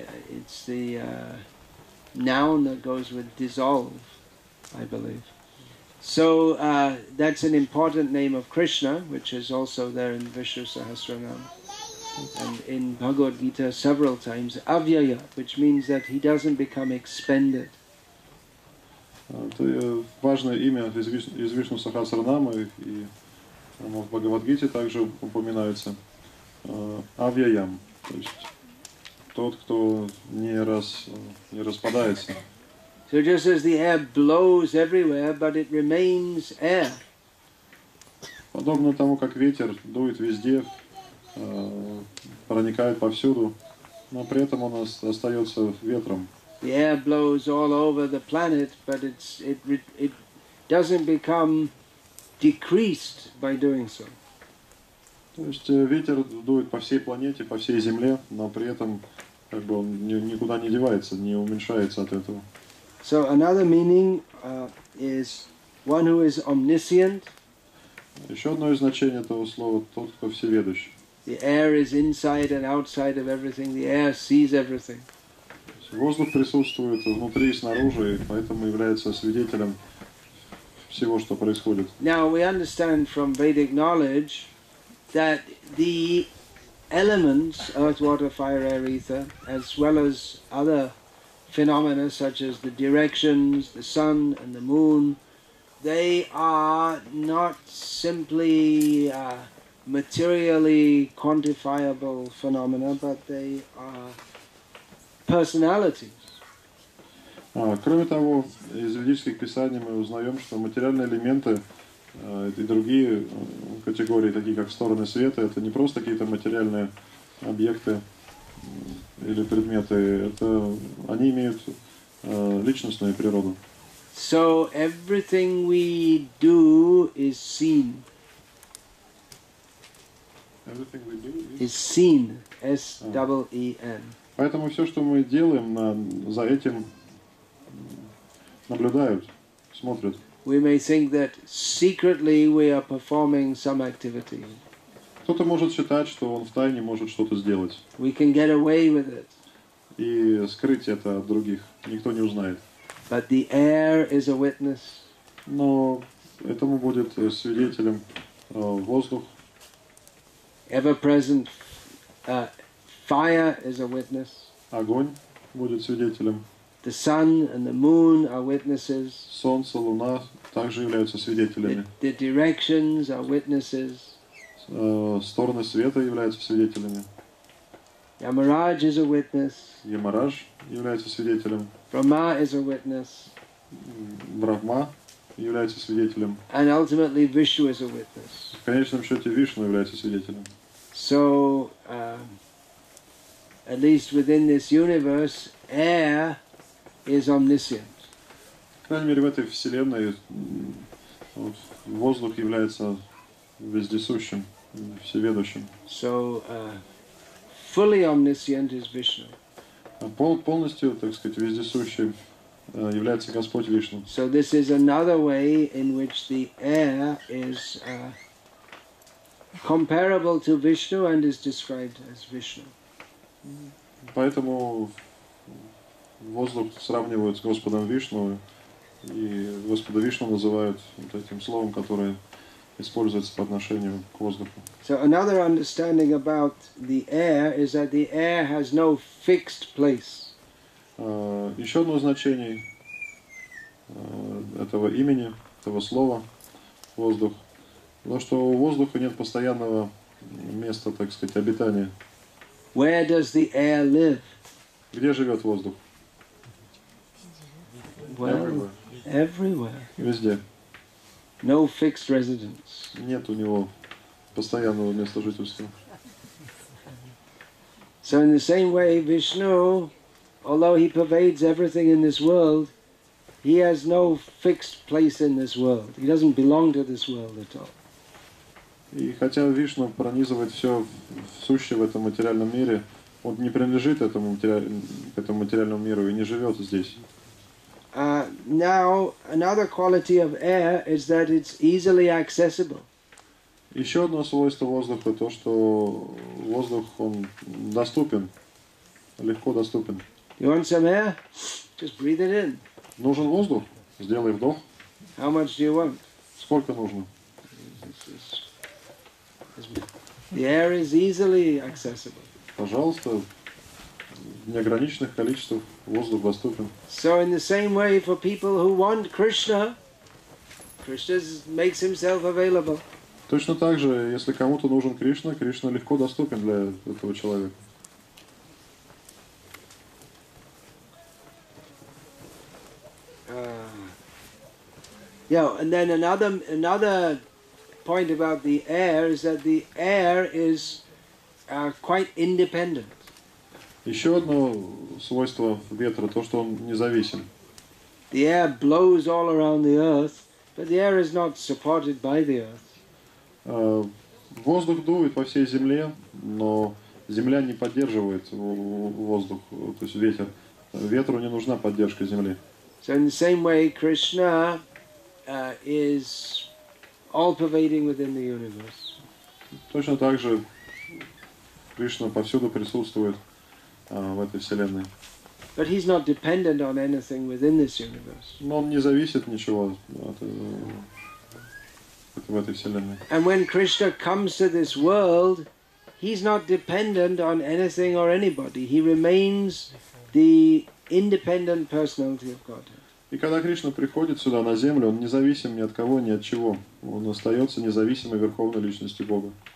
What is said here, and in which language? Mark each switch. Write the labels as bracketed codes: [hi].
[en] It's the noun that goes with dissolve, I believe. So that's an important name of Krishna, which is also there in Vishnu Sahasranam. And in Bhagavad Gita several times, avyaya, which means that he doesn't become expended. [ru] Это важное имя из Вишну Сахасранама, и в Бхагавад Гите также упоминается авьяям, то есть тот, кто не распадается. [en] So just as the air blows everywhere, but it remains air. [ru] Подобно тому, как ветер дует везде, проникает повсюду, но при этом он остается ветром. [en] The air blows all over the planet, but it doesn't become decreased by doing so. [ru] То есть ветер дует по всей планете, по всей земле, но при этом как бы он никуда не девается, не уменьшается от этого. [en] So another meaning is one who is omniscient. [ru] Еще одно значение этого слова – тот, кто всеведущий. [en] The air is inside and outside of everything. The air sees everything. [ru] Воздух присутствует внутри и снаружи, и поэтому является свидетелем всего, что происходит. [en] Now we understand from Vedic knowledge that the elements, earth, water, fire, air, ether, as well as other phenomena such as the directions, the sun and the moon, they are not simply materially quantifiable phenomena, but they are personalities. [ru] Кроме того, из ведических писаний мы узнаем, что материальные элементы и другие категории, такие как стороны света, это не просто какие-то материальные объекты или предметы, это они имеют личностную природу. [en] So everything we do is seen. Everything we do is seen, S-E-E-N. [ru] Поэтому все, что мы делаем, за этим наблюдают, смотрят. [en] We may think that secretly we are performing some activity. [ru] Кто-то может считать, что он втайне может что-то сделать. [en] We can get away with it. [ru] И скрыть это от других, никто не узнает. [en] But the air is a witness. [ru] Но этому будет свидетелем воздух. [en] Ever-present fire is a witness. [ru] Огонь будет свидетелем. [en] The sun and the moon are witnesses. [ru] Солнце, луна также являются свидетелями. [en] The directions are witnesses. [ru] Стороны света являются свидетелями. [en] Ямарадж is a witness. [ru] Ямарадж является свидетелем. [en] Брахма is a witness. [ru] Брахма является свидетелем. [en] And ultimately Vishnu is a witness. [ru] В конечном счете Вишну является свидетелем. [en] So, at least within this universe, air is omniscient. [ru] По крайней мере, в этой вселенной воздух является вездесущим, всеведущим. [en] So, fully omniscient is Vishnu. [ru] Полностью, так сказать, вездесущим является Господь Вишну. [en] So this is another way in which the air is comparable to Vishnu and is described as Vishnu. [ru] Поэтому воздух сравнивают с Господом Вишну, и Господа Вишну называют вот этим словом, которое используется по отношению к воздуху. [en] So another understanding about the air is that the air has no fixed place. [ru] Еще одно значение этого имени, этого слова, воздух. Но что у воздуха нет постоянного места, так сказать, обитания. [en] Where does the air live? [ru] Где живет воздух? [en] Well, everywhere. [ru] Везде. [en] No fixed residence. [ru] Нет у него постоянного места жительства. [en] So in the same way, Vishnu, although he pervades everything in this world, He has no fixed place in this world. He doesn't belong to this world at all. [ru] И хотя Вишну пронизывает все сущее в этом материальном мире, он не принадлежит этому, этому материальному миру и не живет здесь. [en] Now another quality of air is that it's easily accessible. [ru] Еще одно свойство воздуха то, что воздух он доступен, легко доступен. [en] You want some air? Just breathe it in. [ru] Нужен воздух? Сделай вдох. [en] How much do you want? [ru] Сколько нужно? [en] The air is easily accessible. [ru] Пожалуйста, в неограниченных количествах воздух доступен. [en] So in the same way for people who want Krishna, Krishna makes himself available. [ru] Точно так же, если кому-то нужен Кришна, Кришна легко доступен для этого человека. [en] And then another point about the air is that the air is quite independent. [ru] Еще одно свойство ветра то, что он независим. [en] The air blows all around the earth, but the air is not supported by the earth. [ru] Воздух дует по всей земле, но земля не поддерживает воздух, то есть ветер. Ветру не нужна поддержка земли. [en] So in the same way, Krishna is all-pervading within the universe. [ru] Точно так же Кришна повсюду присутствует в этой вселенной. [en] But he's not dependent on anything within this universe. [ru] Но он не зависит ничего от в этой вселенной. [en] And when Krishna comes to this world, he's not dependent on anything or anybody. He remains the independent personality of Godhead. [ru] И когда Кришна приходит сюда на землю, он независим ни от кого, ни от чего. Он остается независимой верховной личностью Бога.